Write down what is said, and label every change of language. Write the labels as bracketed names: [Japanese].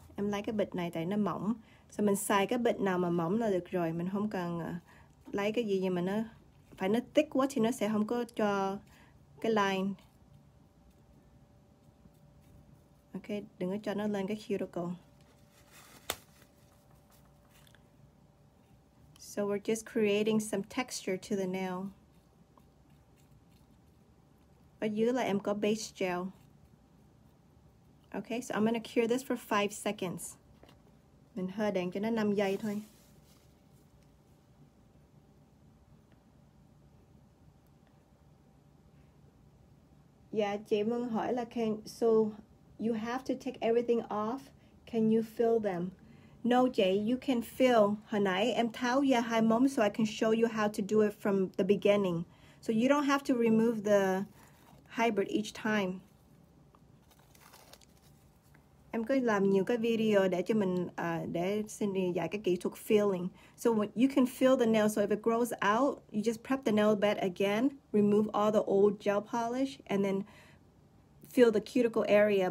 [Vietnamese] Em lấy cái bịch này tại nó mỏng. So mình xài cái bịch nào mà mỏng là được rồi. Mình không cần lấy cái gì nhưng mà nó phải nó thick quá thì nó sẽ không có cho cái line. Ok, đừng có cho nó lên cái cuticle. [English] So we're just creating some texture to the nail. [Vietnamese] Ở dưới là em có base gel. [English] Okay, so I'm gonna cure this for 5 seconds. [Vietnamese] Mình hơi đèn cho nó 5 giây thôi. Yeah, chị Mừng hỏi là [English] so you have to take everything off. Can you fill them? No, Jay, you can fill. [Vietnamese] Hồi nãy em tháo ra hai móng [English] so I can show you how to do it from the beginning. So you don't have to remove the hybrid each time. [Vietnamese] Em cứ làm nhiều cái video để cho mình để Cindy dạy cái kỹ thuật filling. [English] So when you can fill the nail, so if it grows out, you just prep the nail bed again, remove all the old gel polish, and then fill the cuticle area.